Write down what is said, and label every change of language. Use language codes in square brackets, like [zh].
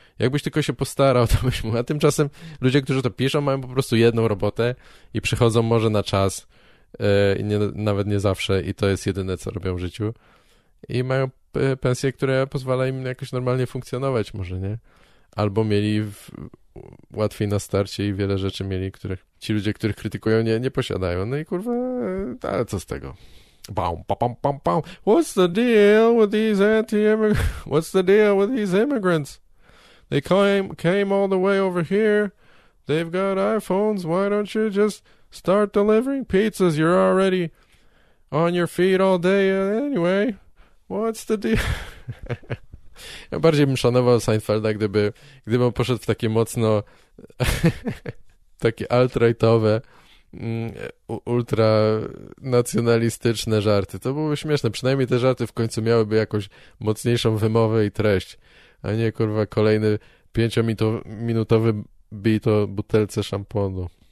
[pl] Jakbyś tylko się postarał, to byś mógł. A tymczasem ludzie, którzy to piszą, mają po prostu jedną robotę i przychodzą może na czas, nawet nie zawsze, i to jest jedyne, co robią w życiu. I mają pensje, które pozwala im jakoś normalnie funkcjonować może, nie? Albo mieli łatwiej na starcie i wiele rzeczy mieli, których ci ludzie, których krytykują, nie posiadają. No i kurwa, ale co z tego? Bam, pam, pam, pam, pam. [en] What's the deal with these anti-immigrants? What's the deal with these immigrants? They came all the way over here. They've got iPhones. Why don't you just start delivering pizzas? You're already on your feet all day anyway. What's the deal? [pl] Ja bardziej bym szanował Seinfelda, gdyby on poszedł w takie mocno takie alt-rightowe, ultra nacjonalistyczne żarty. To byłoby śmieszne. Przynajmniej te żarty w końcu miałyby jakąś mocniejszą wymowę i treść, a nie kurwa kolejny 5-minutowy bit o butelce szamponu.